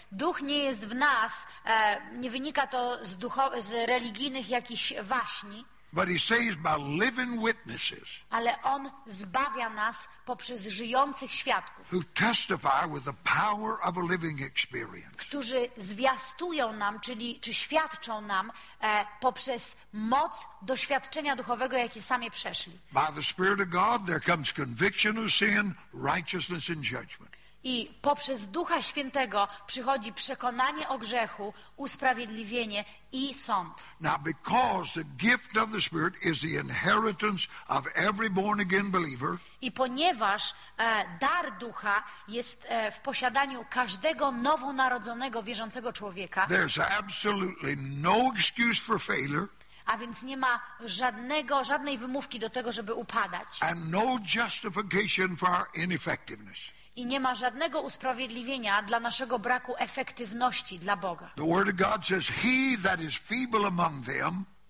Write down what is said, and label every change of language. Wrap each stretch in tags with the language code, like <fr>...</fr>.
<pl>Duch nie jest w nas, nie wynika to z religijnych jakichś waśni.</pl> <en>But he saves by living witnesses.</en> <pl>Ale on zbawia nas poprzez żyjących świadków.</pl> <en>Who testify with the power of a living experience.</en> <pl>Którzy zwiastują nam, czyli czy świadczą nam poprzez moc doświadczenia duchowego, jakie sami przeszli.</pl> <en>By the Spirit of God there comes conviction of sin, righteousness and judgment.</en> <pl>I poprzez Ducha Świętego przychodzi przekonanie o grzechu, usprawiedliwienie i sąd.</pl> <en>Now because the gift of the Spirit is the inheritance of every born again believer.</en> <pl>I ponieważ dar Ducha jest w posiadaniu każdego nowonarodzonego wierzącego człowieka.</pl> <en>There's absolutely no excuse for failure.</en> <pl>A więc nie ma żadnej wymówki do tego, żeby upadać.</pl> <en>And no justification for our ineffectiveness.</en> <pl>I nie ma żadnego usprawiedliwienia dla naszego braku efektywności dla Boga.</pl> <en>The word of God says, he that is feeble among them,</en>